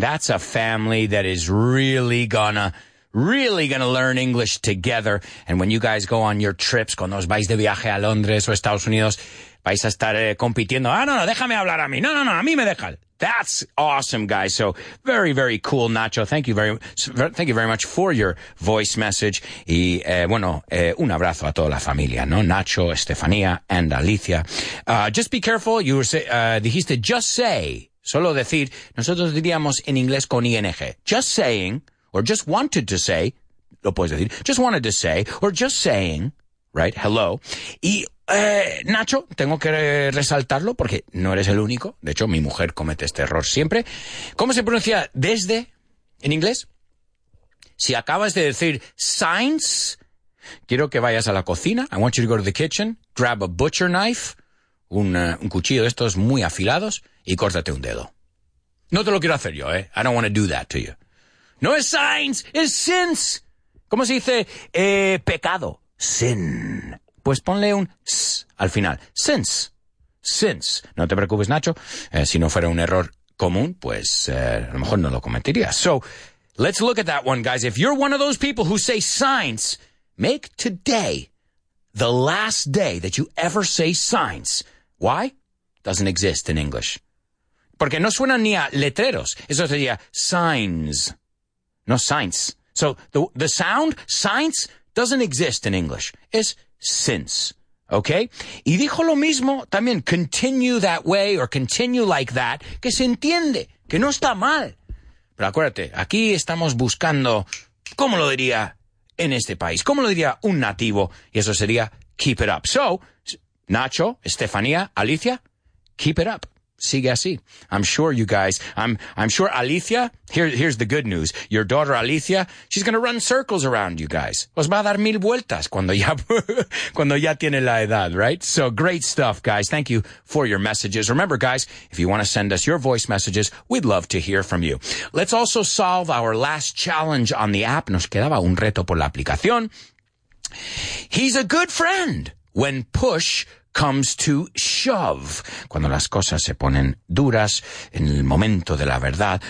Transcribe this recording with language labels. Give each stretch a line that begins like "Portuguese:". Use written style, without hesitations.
English: That's a family that is really gonna learn English together. And when you guys go on your trips,
Spanish: cuando os vais de viaje a Londres o Estados Unidos, vais a estar compitiendo. Ah, no, déjame hablar a mí. No, a mí me deja.
English: That's awesome, guys. So very, very cool, Nacho. Thank you very much for your voice message.
Spanish: Y, un abrazo a toda la familia, ¿no?
English: Nacho, Estefanía, and Alicia. Just be careful. You were
Spanish: dijiste just say. Solo decir. Nosotros diríamos en inglés con ing.
English: Just saying, or just wanted to say.
Spanish: Lo puedes decir.
English: Just wanted to say, or just saying, right? Hello.
Spanish: Nacho, tengo que resaltarlo porque no eres el único. De hecho, mi mujer comete este error siempre. ¿Cómo se pronuncia desde en inglés? Si acabas de decir since, quiero que vayas a la cocina.
English: I want you to go to the kitchen, grab a butcher knife,
Spanish: un cuchillo de estos muy afilados, y córtate un dedo. No te lo quiero hacer yo,
English: I don't want to do that to you.
Spanish: No es since, es since. ¿Cómo se dice pecado? Sin. Pues ponle un s al final. Since. Since. No te preocupes, Nacho. Si no fuera un error común, pues a lo mejor no lo cometería.
English: So, let's look at that one, guys. If you're one of those people who say science, make today the last day that you ever say science. Why? Doesn't exist in English.
Spanish: Porque no suena ni a letreros. Eso sería signs. No science.
English: So, the sound, science, doesn't exist in English.
Spanish: Es since, okay? Y dijo lo mismo también,
English: continue that way or continue like that,
Spanish: que se entiende, que no está mal. Pero acuérdate, aquí estamos buscando, ¿cómo lo diría en este país? ¿Cómo lo diría un nativo? Y eso sería
English: keep it up. So, Nacho, Estefanía, Alicia, keep it up.
Spanish: Sigue así.
English: I'm sure you guys, I'm sure Alicia, here's the good news. Your daughter Alicia, she's going to run circles around you guys.
Spanish: Os va a dar mil vueltas cuando ya tiene la edad, right?
English: So great stuff, guys. Thank you for your messages. Remember, guys, if you want to send us your voice messages, we'd love to hear from you. Let's also solve our last challenge on the app.
Spanish: Nos quedaba un reto por la aplicación.
English: He's a good friend when push comes to shove.
Spanish: Cuando las cosas se ponen duras en el momento de la verdad.